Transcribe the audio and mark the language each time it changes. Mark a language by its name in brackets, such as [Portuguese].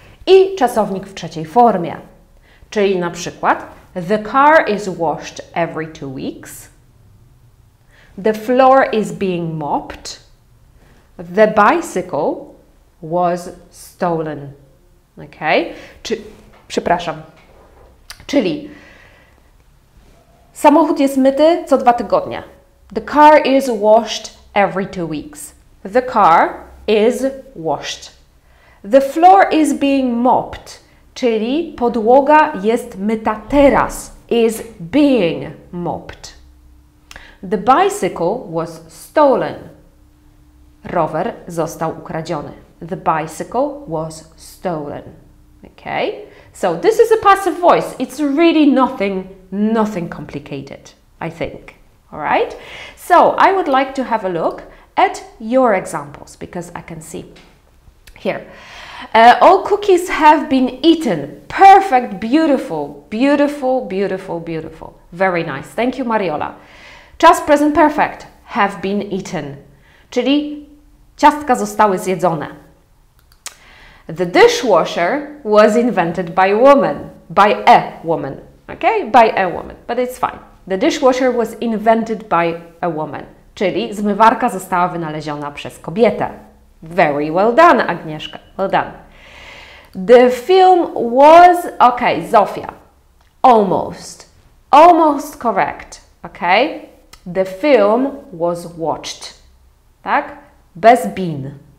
[Polish] I czasownik w trzeciej formie, czyli na przykład [English] the car is washed every 2 weeks, the floor is being mopped, the bicycle was stolen. Ok? Przepraszam. [Polish] Czyli samochód jest myty co 2 tygodnie. [English] The car is washed every 2 weeks. The car is washed. The floor is being mopped. [Polish] Czyli podłoga jest myta teraz. [English] Is being mopped. The bicycle was stolen. [Polish] Rower został ukradziony. [English] The bicycle was stolen. Okay? So this is a passive voice. It's really nothing complicated, I think. All right? So I would like to have a look at your examples because I can see here. All cookies have been eaten. Perfect, beautiful, beautiful, beautiful, beautiful. Very nice. Thank you, Mariola. Czas present perfect. Have been eaten. [Polish] Czyli ciastka zostały zjedzone. [English] The dishwasher was invented by a woman. By a woman. Okay? By a woman. But it's fine. The dishwasher was invented by a woman. [Polish] Czyli zmywarka została wynaleziona przez kobietę. [English] Very well done, Agnieszka. Well done. The film was... Okay, Zofia. Almost. Almost correct. Okay? The film was watched. Tak? Bez been.